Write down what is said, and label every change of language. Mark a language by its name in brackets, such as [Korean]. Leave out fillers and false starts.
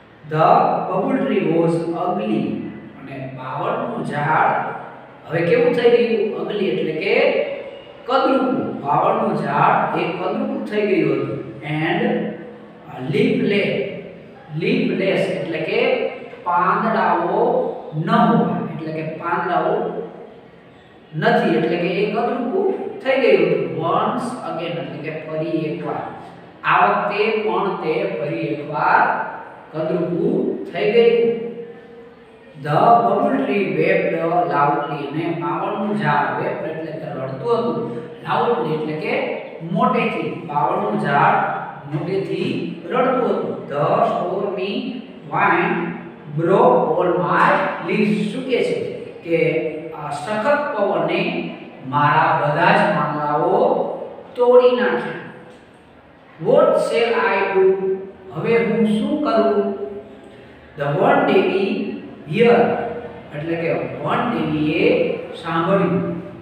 [English] The bubble tree was ugly. [Gujarati] અને બાવળનું ઝાડ હવે કેવું થઈ ગયું? ugly એટલે કે કદરૂપ. બાવળનું ઝાડ એ કદરૂપ થઈ ગયું હતું. [English] And leafless. [Gujarati] leafless એટલે કે પાંદડાઓ ન હોવા, એટલે કે પાંદડાઓ નથી, એટલે કે એ કદરૂપ થઈ ગયું હતું. [English] Once again [Gujarati] એટલે કે ફરી એકવાર. આ વખતે પણ તે ફરી એકવાર કદરૂપ થઈ ગયું. [English] The bubble tree waved loudly. [Gujarati] અને બાવળનું ઝાડ વેપ્ડ એટલે કે રડતું હતું. loudly એટલે કે મોટેથી. બાવળનું ઝાડ મોટેથી રડતું હતું. [English] The stormy wind broke all my leaves. [Gujarati] શું કહે છે કે સખત પવને મારા બધા જ પાંદડાઓ તોડી નાખ્યા. [English] What shall I do? [Gujarati] હવે હું શું કરું? [English] The one devi here [Gujarati] એટલે કે વન દેવીએ સાંભળ્યું.